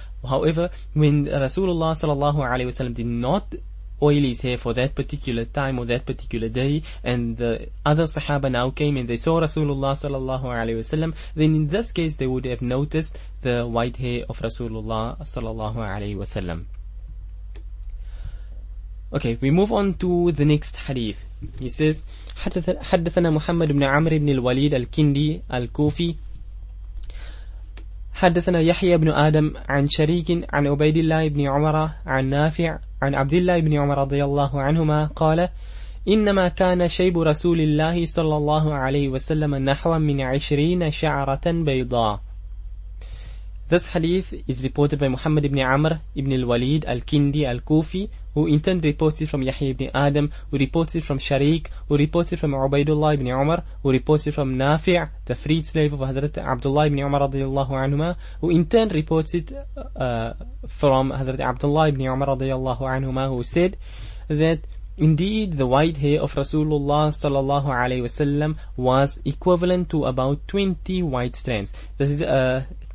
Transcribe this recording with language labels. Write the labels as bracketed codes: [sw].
[en] However, when Rasulullah sallallahu alaihi wasallam did not oil his hair for that particular time or that particular day, and the other Sahaba now came and they saw Rasulullah sallallahu alaihi wasallam, then in this case they would have noticed the white hair of Rasulullah sallallahu alaihi wasallam. Okay, we move on to the next hadith. He says, [ar] حدثنا محمد بن عمرو بن الوليد الكندي الكوفي حدثنا يحيى بن آدم عن شريك عن عبيد الله بن عمر عن نافع عن عبد الله بن عمر رضي الله عنهما قال إنما كان شيب رسول الله صلى الله عليه وسلم نحو من 20 شعرة بيضاء. [en] This hadith is reported by Muhammad ibn Amr ibn al-Walid al-Kindi al-Kufi, who in turn reports it from Yahya ibn Adam, who reports it from Shariq, who reports it from Ubaidullah ibn Umar, who reports it from Nafi', the freed slave of Hazrat Abdullah ibn Umar radiyallahu anhuma, who in turn reports it from Hazrat Abdullah ibn Umar radiyallahu anhuma, who said that indeed the white hair of Rasulullah sallallahu alayhi wasallam was equivalent to about 20 white strands. This is a